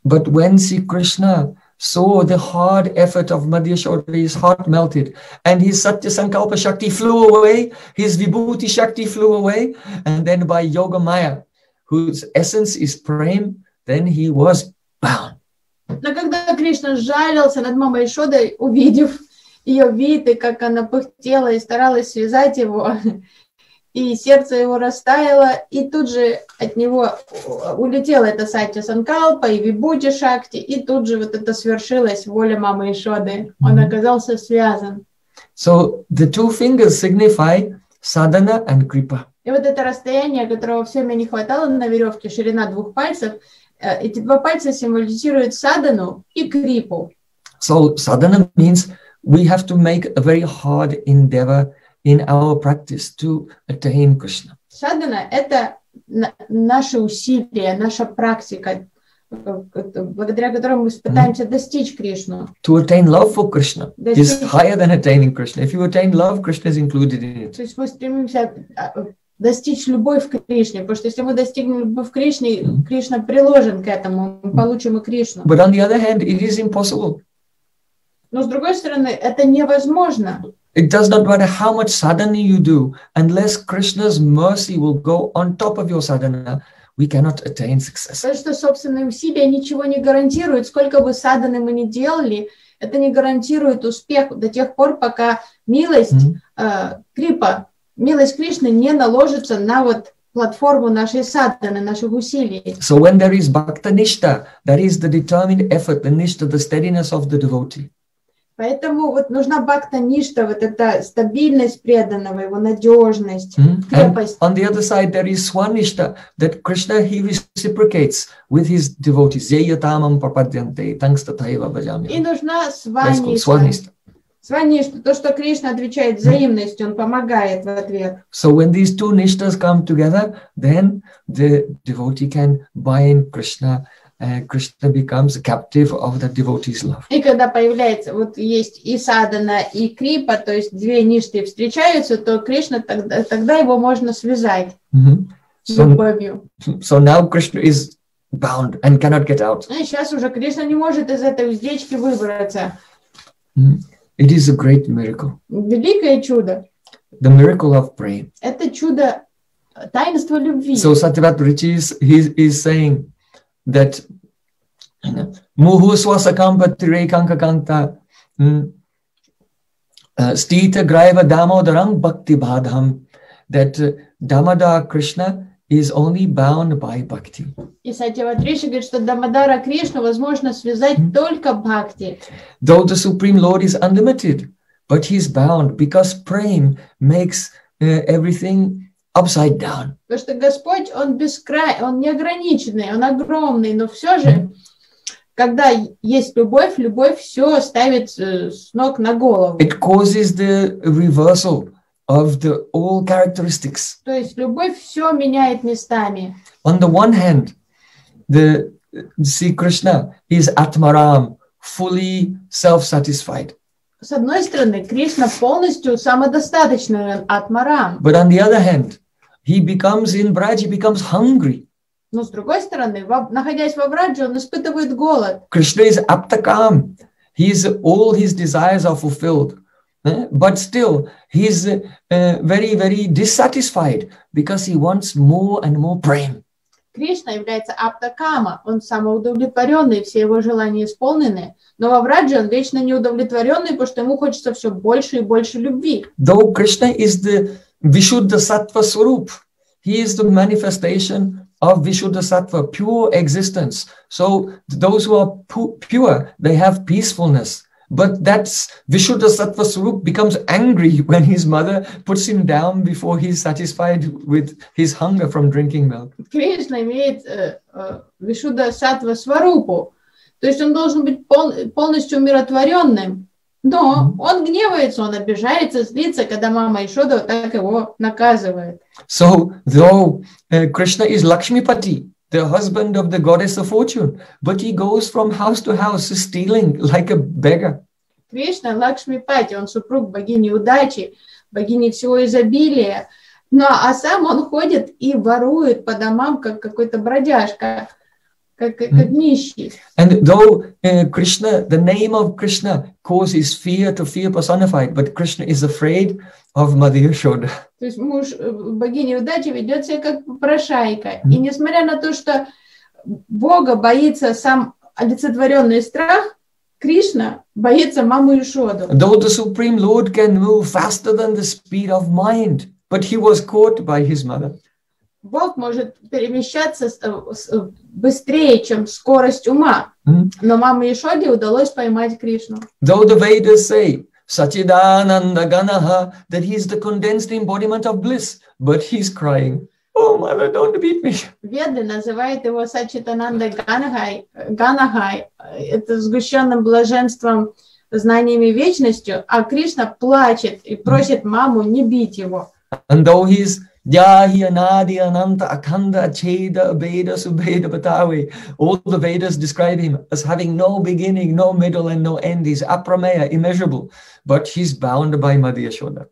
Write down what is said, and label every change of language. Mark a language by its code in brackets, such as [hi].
[en] But when Sri Krishna saw the hard effort of Madhya Shodhi, his heart melted, and his Satya Sankalpa Shakti flew away, his Vibhuti Shakti flew away, and then by Yoga Maya, whose essence is Prem, then he was bound. [ru] Но когда Кришна сжалился над мамой Шодой, увидев ее вид, и как она пыхтела и старалась связать его, и сердце его растаяло, и тут же от него улетела эта сатья санкалпа и вибути шакти, и тут же вот это свершилось, воля мамы Ишоды. Он оказался связан. [en] So the two fingers signify sadhana and kripa. [ru] И вот это расстояние, которого все мне не хватало на веревке, ширина двух пальцев, эти два пальца символизируют садхану и крипу. [en] So sadhana means we have to make a very hard endeavor in our practice to attain Krishna. [ru] Садхана – это наше усилие, наша практика, благодаря которой мы пытаемся достичь Кришну. [en] To attain love for Krishna is higher than attaining Krishna. If you attain love, Krishna is included in it. [ru] То есть мы стремимся достичь любовь к Кришне, потому что если мы достигнем любовь к Кришне, Кришна приложен к этому, мы получим и Кришну. [en] But on the other hand, it is impossible. [ru] Но с другой стороны, это невозможно. [en] It does not matter how much sadhana you do, unless Krishna's mercy will go on top of your sadhana, we cannot attain success. [ru] Потому что собственные усилия ничего не гарантируют. Сколько бы sadhana мы ни делали, это не гарантирует успех до тех пор, пока милость крипа, милость Кришны не наложится на вот платформу нашей садханы, наших усилий. [en] So when there is bhakta nishta, that is the determined effort, the nishta, the steadiness of the devotee. [ru] Поэтому вот нужна бхакта ништа, вот эта стабильность преданного, его надежность, крепость. [en] And on the other side, there is сваништа, that Krishna, he reciprocates with his devotees. [sa] Зейятамам пападьянте, тангстатайва баджамьям. [ru] И нужна сваништа. Сваништа, то, что Кришна отвечает взаимностью, он помогает в ответ. [en] So when these two nishtas come together, then the devotee can bind Krishna. Krishna becomes a captive of the devotee's love. [ru] И когда появляется, вот есть и садхана, и крипа, то есть две ништи встречаются, то Кришна тогда его можно связать с любовью. [en] So now Krishna is bound and cannot get out. [ru] И сейчас уже Кришна не может из этой уздечки выбраться. [en] It is a great miracle. [ru] Великое чудо. [en] The miracle of prayer. [ru] Это чудо, таинство любви. [en] So Satyavrata Ruchi is saying that [sa] muhuswasakampa tire kankakanta stita graiva damodaram bhakti bhadham, [en] that damodara Krishna is only bound by bhakti. [ru] И Сатьявад Риши говорит, что Дамодара Кришну возможно связать только бхакти. [en] Though the Supreme Lord is unlimited, but he is bound because prem makes everything upside down. [ru] Потому что Господь, Он бескрайний, Он неограниченный, Он огромный, но все же, когда есть любовь, любовь все ставит с ног на голову. [en] It causes the reversal of the all characteristics. [ru] То есть любовь все меняет местами. [en] On the one hand, the Sri Krishna is Atmaram, fully self-satisfied. [ru] С одной стороны, Кришна полностью самодостаточный, Атмарам. [en] But on the other hand, he becomes in Braj, he becomes hungry. [ru] Но с другой стороны, находясь во Врадже, он испытывает голод. [en] Krishna is aptakam. All his desires are fulfilled. But still, he's very, very dissatisfied because he wants more and more prem. [ru] Кришна является аптакама. Он самоудовлетворенный, все его желания исполнены. Но во Врадже он вечно неудовлетворенный, потому что ему хочется все больше и больше любви. [en] Though Krishna is the Vishuddha Sattva Swarup, he is the manifestation of Vishuddha Sattva, pure existence. So those who are pure, they have peacefulness. But that's Vishuddha Sattva Swarup becomes angry when his mother puts him down before he's satisfied with his hunger from drinking milk. [ru] Кришна имеет Vishuddha Sattva Swarupu. То есть он должен быть полностью умиротворенным. Но он гневается, он обижается, злится, когда мама Ишода так его наказывает. [en] So, though Krishna is Lakshmipati, the husband of the goddess of fortune, but he goes from house to house stealing like a beggar. [ru] Кришна Лакшмипати, он супруг богини удачи, богини всего изобилия, но а сам он ходит и ворует по домам, как какой-то бродяжка, как нищий. [en] And though Krishna, the name of Krishna causes fear to fear personified, but Krishna is afraid of Mother Yashoda. [ru] То есть муж богини удачи ведет себя как попрошайка, и несмотря на то, что Бога боится сам олицетворенный страх, Кришна боится маму Ишоду. [en] Though the Supreme Lord can move faster than the speed of mind, but he was caught by his mother. [ru] Бог может перемещаться быстрее, чем скорость ума, но маме Ишоде удалось поймать Кришну. [en] Though the Vedas say Satchidananda Ganaha, that he is the condensed embodiment of bliss, but he's crying, "Oh, mother, don't beat me." [ru] Веды называют его Сатчитананда Ганахай, это сгущенным блаженством, знаниями вечностью, а Кришна плачет и просит маму не бить его. [en] And though he's [sa] Yahi Anadi Ananta Akanda Cheda Veda Subheda Batawi, [en] all the Vedas describe him as having no beginning, no middle, and no end. He's Aprameya, immeasurable, but he's bound by Mother Yashoda.